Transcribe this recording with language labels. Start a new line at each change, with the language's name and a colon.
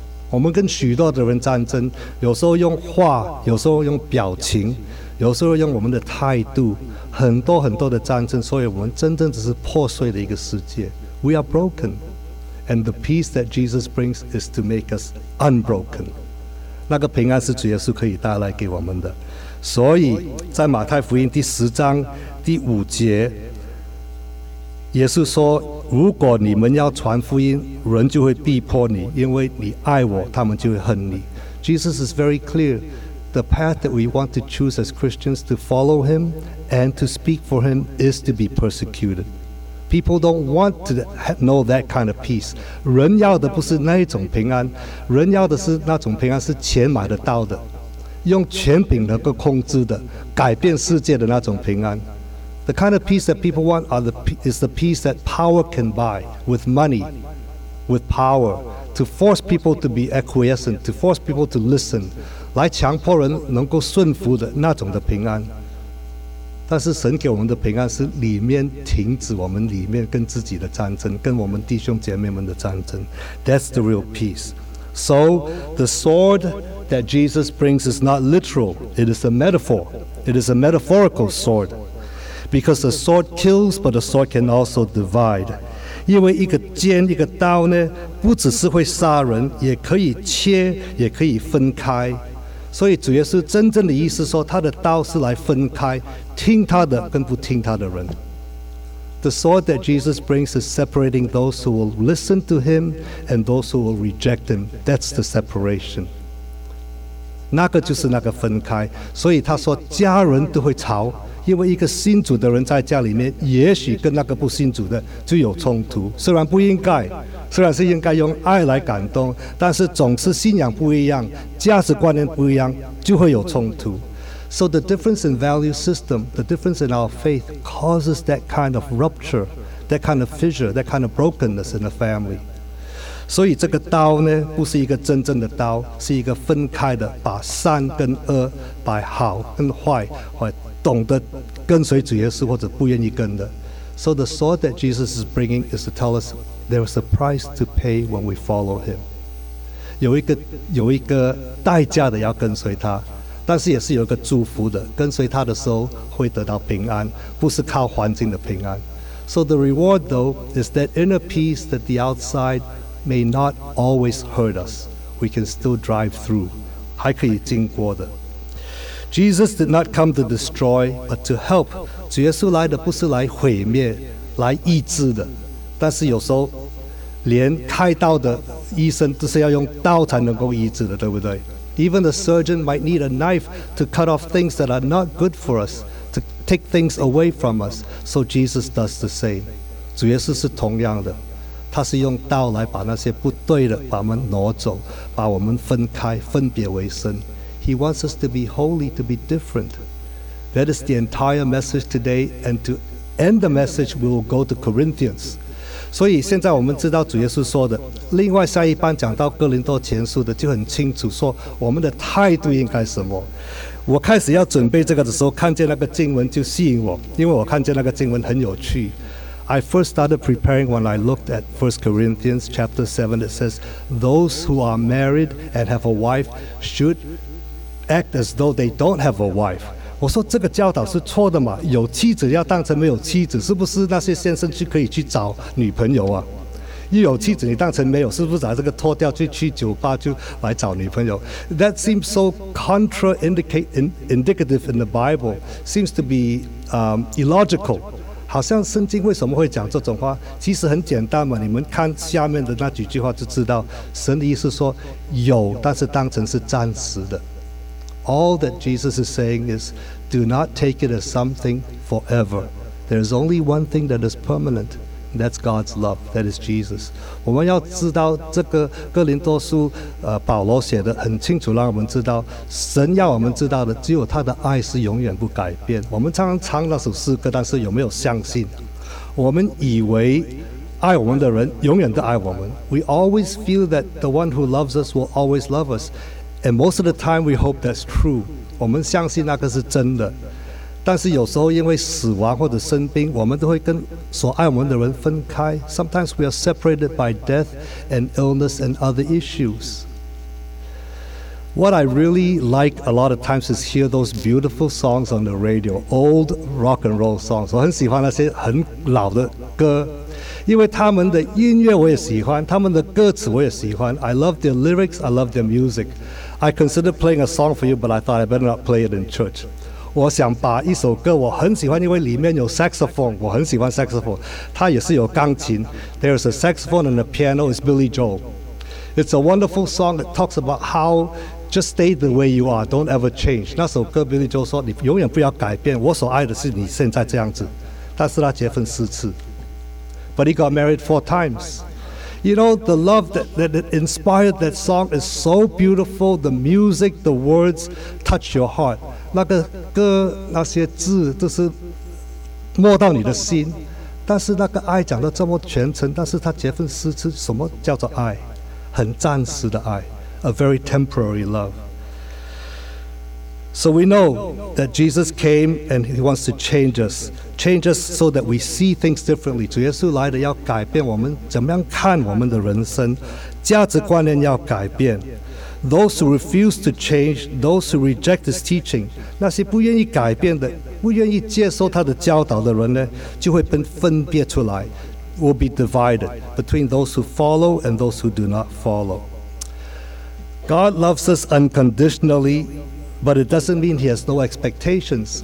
Chinese: 我们跟许多的人战争，有时候用话，有时候用表情，有时候用我们的态度，很多很多的战争，所以我们真正只是破碎的一个世界。
English: We are broken, and the peace that Jesus brings is to make us unbroken.
Chinese: 那个平安是主耶稣可以带来给我们的。所以在马太福音第十章第五节，耶稣说如果你们要传福音，人就会逼迫你，因为你爱我，他们就会恨你。
English: Jesus is very clear. The path that we want to choose as Christians to follow him and to speak for him is to be persecuted. People don't want to know that kind of peace.
Chinese: 人要的不是那种平安，人要的是那种平安是钱买得到的，用权柄能够控制的，改变世界的那种平安。
English: The kind of peace that people want is the peace that power can buy with money, with power, to force people to be acquiescent, to force people to listen,
Chinese: 来强迫人能够顺服的那种的平安。但是神给我们的平安是里面停止我们里面跟自己的战争，跟我们弟兄姐妹们的战争。
English: That's the real peace. So the sword that Jesus brings is not literal. It is a metaphor. It is a metaphorical sword. Because a sword kills, but a sword can also divide.
Chinese: 因为一个剑，一个刀呢，不只是会杀人，也可以切，也可以分开。所以主耶稣真正的意思说，他的刀是来分开，听他的跟不听他的人。
English: The sword that Jesus brings is separating those who will listen to him and those who will reject him. That's the separation.
Chinese: 那个就是那个分开。所以他说，家人都会吵。因为一个信主的人在家里面，也许跟那个不信主的就有冲突，虽然不应该，虽然是应该用爱来感动，但是总是信仰不一样，价值观念不一样，就会有冲突。
English: So the difference in value system, the difference in our faith causes that kind of rupture, that kind of fissure, that kind of brokenness in the family.
Chinese: 所以这个刀呢，不是一个真正的刀，是一个分开的，把善跟恶，把好跟坏，或懂得跟随主耶稣或者不愿意跟的。
English: So the sword that Jesus is bringing is to tell us there is a price to pay when we follow him.
Chinese: 有一个代价的要跟随他。但是也是有一个祝福的，跟随他的时候会得到平安，不是靠环境的平安。
English: So the reward though is that inner peace that the outside may not always hurt us, we can still drive through,
Chinese: 还可以经过的。
English: Jesus did not come to destroy, but to help.
Chinese: 主耶稣来的不是来毁灭，来医治的。但是有时候连开刀的医生都是要用刀才能够医治的，对不对？
English: Even the surgeon might need a knife to cut off things that are not good for us, to take things away from us. So Jesus does the same.
Chinese: 主耶稣是同样的，他是用刀来把那些不对的把我们挪走，把我们分开，分别为圣。
English: He wants us to be holy, to be different. That is the entire message today, and to end the message, we will go to Corinthians.
Chinese: 所以现在我们知道主耶稣说的，另外下一半讲到哥林多前书的就很清楚，说我们的态度应该什么。我开始要准备这个的时候，看见那个经文就吸引我，因为我看见那个经文很有趣。
English: I first started preparing when I looked at 1 Corinthians chapter 7. It says those who are married and have a wife should act as though they don't have a wife.
Chinese: 我说这个教导是错的嘛，有妻子要当成没有妻子，是不是那些先生去可以去找女朋友啊？一有妻子你当成没有，是不是把这个脱掉去酒吧就来找女朋友？
English: That seems so contraindicative in the Bible, seems to be illogical.
Chinese: 好像圣经为什么会讲这种话，其实很简单嘛，你们看下面的那几句话就知道，神的意思说有，但是当成是暂时的。
English: All that Jesus is saying is, do not take it as something forever. There is only one thing that is permanent, and that's God's love, that is Jesus.
Chinese: 我们要知道这个哥林多书，保罗写的很清楚，让我们知道神要我们知道的只有他的爱是永远不改变。我们常常唱那首诗歌，但是有没有相信？我们以为爱我们的人永远都爱我们。
English: We always feel that the one who loves us will always love us. And most of the time, we hope that's true.
Chinese: 我们相信那个是真的。但是有时候因为死亡或者生病，我们都会跟所爱我们的人分开。
English: Sometimes we are separated by death and illness and other issues. What I really like a lot of times is hear those beautiful songs on the radio, old rock and roll songs.
Chinese: 我很喜欢那些很老的歌，因为他们的音乐我也喜欢，他们的歌词我也喜欢。
English: I love their lyrics, I love their music. I considered playing a song for you, but I thought I better not play it in church.
Chinese: 我想把一首歌我很喜欢，因为里面有 saxophone, 我很喜欢 saxophone, 它也是有钢琴。
English: There's a saxophone and a piano, it's Billy Joel. It's a wonderful song that talks about how just stay the way you are, don't ever change.
Chinese: 那首歌 Billy Joel 说你永远不要改变，我所爱的是你现在这样子。但是他结婚四次。
English: But he got married 4 times. You know, the love that inspired that song is so beautiful. The music, the words touch your heart.
Chinese: 那个歌，那些字都是摸到你的心。但是那个爱讲得这么全程，但是他结婚四次，什么叫做爱？很暂时的爱，
English: a very temporary love. So we know that Jesus came and he wants to change us. Change us so that we see things differently.
Chinese: 主耶稣来的要改变我们怎么样看我们的人生，价值观念要改变。
English: Those who refuse to change, those who reject his teaching,
Chinese: 那些不愿意改变的，不愿意接受他的教导的人呢，就会被分别出来，
English: will be divided between those who follow and those who do not follow. God loves us unconditionally. But it doesn't mean he has no expectations.